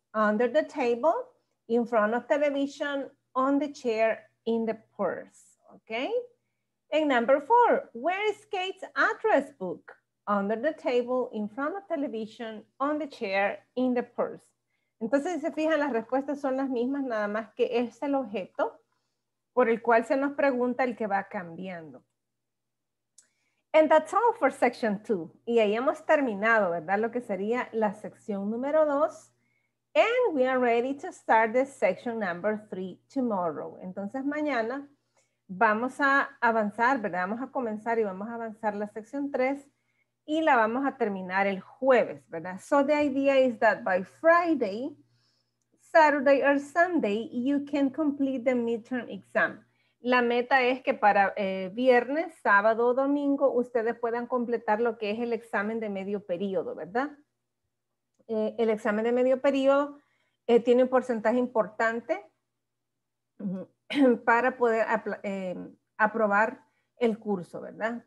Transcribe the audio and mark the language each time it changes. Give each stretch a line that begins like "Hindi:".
English: Under the table, in front of television, on the chair, in the purse. Okay. And number 4. Where is Kate's address book? Under the table, in front of television, on the chair, in the purse.
Spanish: Entonces, si se fijan, las respuestas son las mismas, nada más que es el objeto por el cual se nos pregunta el que va cambiando.
English: And that's all for section 2.
Spanish: Y ahí hemos terminado, ¿verdad? Lo que sería la sección número 2.
English: And we are ready to start the section number 3 tomorrow.
Spanish: Entonces mañana vamos a avanzar, ¿verdad? Vamos a comenzar y vamos a avanzar la sección 3 y la vamos a terminar el jueves, ¿verdad?
English: So the idea is that by Friday, Saturday or Sunday, you can complete the midterm exam.
Spanish: La meta es que para viernes, sábado o domingo, ustedes puedan completar lo que es el examen de medio periodo, ¿verdad? El examen de medio periodo tiene un porcentaje importante para poder aprobar el curso, ¿verdad?